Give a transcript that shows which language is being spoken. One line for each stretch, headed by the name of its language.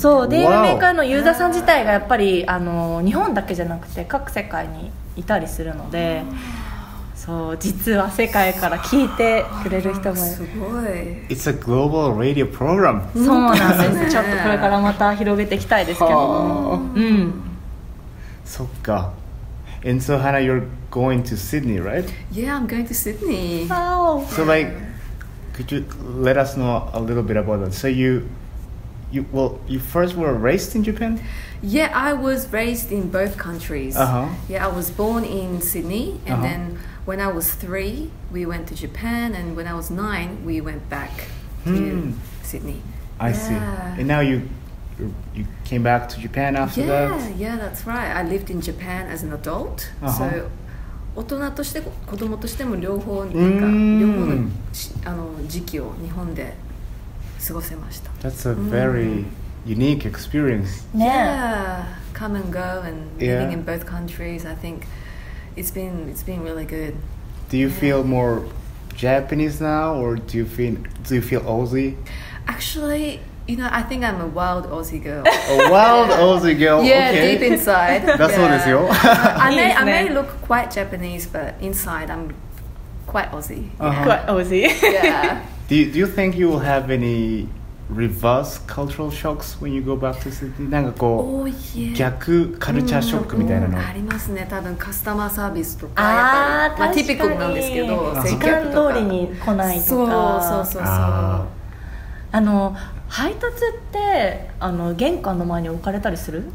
Japanese: そう、 DMM カーのユーザーさん自体がやっぱり、日本だけじゃなくて各世界にいたりするので、そう、実は世界から聞いてくれる人も。すごい。
English: It's a global radio program.
Japanese: そうなんです、ね、ちょっとこれからまた広げていきたいですけど。そっか。
English: And so Hana, you're going to Sydney, right? Yeah, I'm going to Sydney. Wow. So like, could you let us know a little bit about that? So you first were raised in Japan? Yeah, I was raised in both countries. Yeah, I was born in Sydney. And then when I was 3, we went to Japan. And when I was 9, we went back to Sydney. I see. And now you came back to Japan after that? Yeah, that's right. I lived in Japan as an adult. So
Japanese: 大人として子供としても両方なんか両方のあの時期を日本で過ごせました。
English: That's a very unique experience. Yeah, come and go and living in both countries. I think it's been really good. Do you feel more Japanese now, or do you feel Aussie? Actually, you know, I think I'm a wild Aussie girl. A wild Aussie girl. Yeah, okay. Deep inside. That's what it's your. I may look quite Japanese, but inside I'm quite Aussie. Quite Aussie. Yeah. Do you think you will have any reverse cultural shocks when you go back to Sydney?
Japanese: なんかこう、
English: oh, yeah.
Japanese: 逆カルチャーショックみたいなの、ありますね。多分カスタマーサービスとか、まあティピコなんですけど、時間通りに来ないとか。そう。あの配達ってあの玄関の前に置かれたりする？